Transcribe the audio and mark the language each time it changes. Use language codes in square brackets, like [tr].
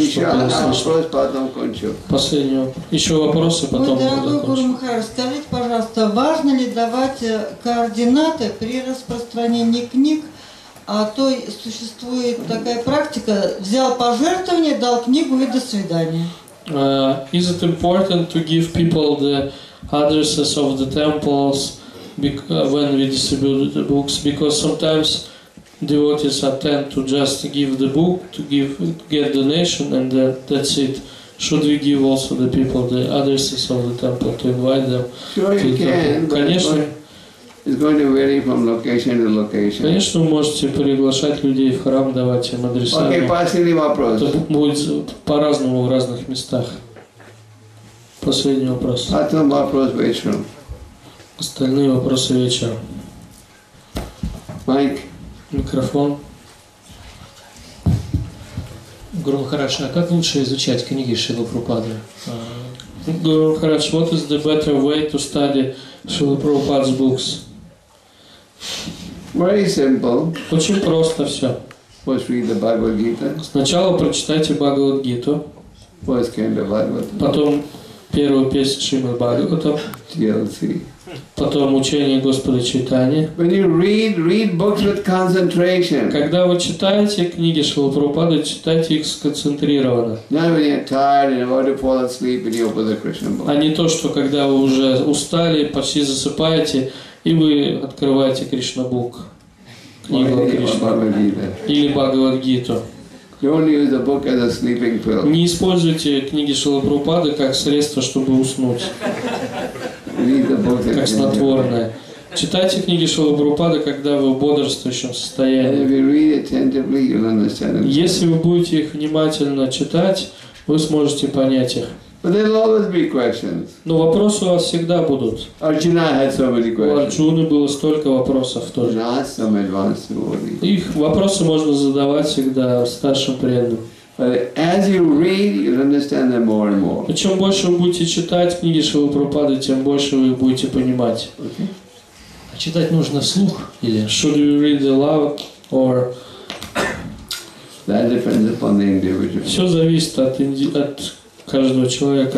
[ru] Еще одна просьба, потом кончу. Последнюю. Еще вопросы, потом закончу. Дорогой Гуру Махарадж, скажите, пожалуйста, важно ли давать координаты при распространении книг? А то существует такая практика, взял пожертвование, дал книгу и до свидания. [en] Is it important to give people the addresses of the temples when we distribute the books? Because sometimes devotees attempt to just give the book, to give get donation, and that's it. Should we give also the people the addresses of the temple to invite them? Sure, you can. It's going to vary from location to location. [ru] Конечно, вы можете приглашать людей в храм, давать им адреса. Окей, последний вопрос. Это будет по-разному в разных местах. Последний вопрос. Потом вопрос вечером. Остальные вопросы вечером. Майк. Микрофон. Гуру Махарадж, а как лучше изучать книги Шрилы Прабхупады? [en] Гуру Махарадж, what is the better way to study Шрилы Прабхупады's books? Very simple. [ru] Очень просто все. [en] First read the Bhagavad Gita. [ru] Сначала прочитайте Бхагавад Гиту. [en] First came the Bhagavad Gita. [ru] Потом первую песню Шримад Бхагаватам. [en] TLC. [ru] Потом учение Господа Чайтанья. [en] When you read, read books with concentration. [ru] Когда вы читаете книги Шрилы Прабхупады, читайте их сконцентрированно. [en] Not when you're tired and about to fall asleep and you open the Krishna book. [ru] А не то, что когда вы уже устали, почти засыпаете, и вы открываете Кришна Бук, книгу Кришна, или Бхагавад Гиту. Не используйте книги Шрилы Прабхупады как средство, чтобы уснуть, как снотворное. Читайте книги Шрилы Прабхупады, когда вы в бодрствующем состоянии. Если вы будете их внимательно читать, вы сможете понять их. [en] But there'll always be questions. [ru] Но вопросы у вас всегда будут. [en] Arjuna had so many questions. [ru] У Арджуны было столько вопросов тоже. [en] Not some advanced devotees. [ru] Их вопросы можно задавать всегда старшим преданным. [en] But as you read, you'll understand them more and more. [ru] И чем больше вы будете читать книги Шрилы Прабхупады, тем больше вы будете понимать. Okay. А читать нужно вслух или? [en] Should you read aloud or? That depends upon the individual. [ru] Все зависит от каждого человека.